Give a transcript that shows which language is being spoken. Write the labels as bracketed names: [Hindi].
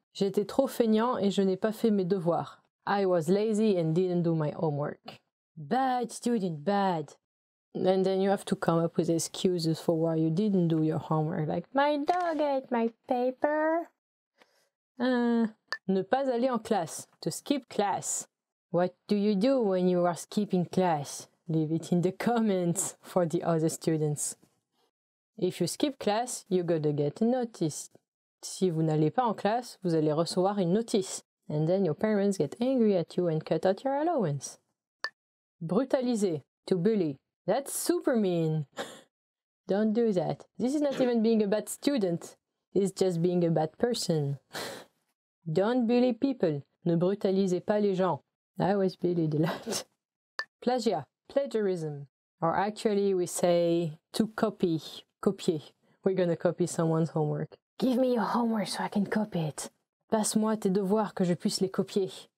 [French] J'étais trop fainéant et je n'ai pas fait mes devoirs. [English] I was lazy and didn't do my homework. Bad student, bad. And then you have to come up with excuses for why you didn't do your homework, like my dog ate my paper. [French] Ne pas aller en classe, [English] to skip class. What do you do when you are skipping class? Leave it in the comments for the other students. If you skip class, you're gonna get a notice. [French] Si vous n'allez pas en classe, vous allez recevoir une notice. [English] And then your parents get angry at you and cut out your allowance. Brutaliser, to bully. That's super mean. Don't do that. This is not even being a bad student. It's just being a bad person. Don't bully people. [French] Ne brutalisez pas les gens. [English] I was bullied a lot. Plagiat, plagiarism. Or actually we say to copy, copier. We're gonna copy someone's homework. Give me your homework so I can copy it. [French] Passe-moi tes devoirs que je puisse les copier.